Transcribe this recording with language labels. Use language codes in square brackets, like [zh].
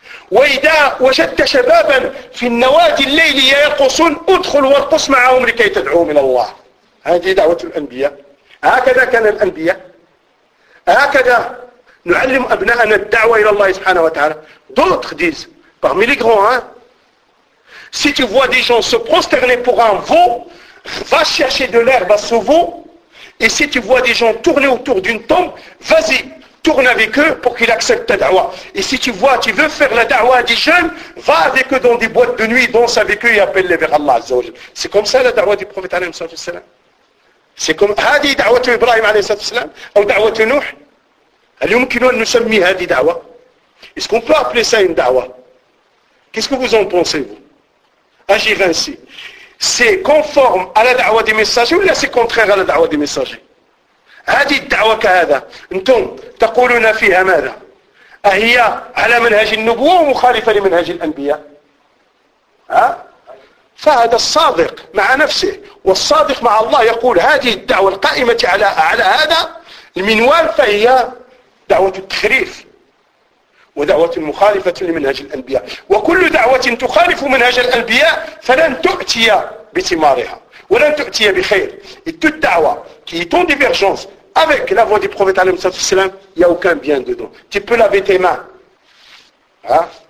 [ar] وإذا وجدت شبابا في النوادي الليلية يرقصون ادخل وارقص معهم لكي تدعو من الله. هذه دعوة الأنبياء. هكذا كان الأنبياء، هكذا نعلم أبناءنا الدعوة إلى الله سبحانه وتعالى. [fr] D'autres disent parmi les grands hein, si tu vois des gens se prosterner pour un veau, va chercher de l'herbe à ce veau, et si tu vois des gens tourner autour d'une tombe, vas-y tourne avec eux pour qu'ils acceptent ta da'wah. Et si tu vois, tu veux faire la da'wah à des jeunes, va avec eux dans des boîtes de nuit, danse avec eux et appelle-les vers Allah Azza wa Jal. C'est comme ça la da'wah du prophète alayhi salatu wa sallam. C'est comme hadi da'wah de Ibrahim alayhi salatu wa sallam ou da'wah de Nuh. [ar] Al-yumkinu an nusammi hadi da'wah. [fr] Est-ce qu'on peut appeler ça une da'wah? Qu'est-ce que vous en pensez, vous? Agir ainsi, c'est conforme à la da'wah des messagers ou là c'est contraire à la da'wah des messagers? [ar] هذه الدعوة كهذا أنتم تقولون فيها ماذا؟ أهي على منهج النبوة ومخالفة لمنهج الأنبياء؟ ها؟ فهذا الصادق مع نفسه والصادق مع الله يقول هذه الدعوة القائمة على هذا المنوال فهي دعوة التخريف ودعوة مخالفة لمنهج الأنبياء. وكل دعوة تخالف منهج الأنبياء فلن تؤتي بثمارها ولن تؤتي بخير. [fr] Toute da'wa qui est en divergence avec la voix du prophète alayhi salatu wassalam, il n'y a aucun bien dedans. Tu peux laver tes mains. Hein?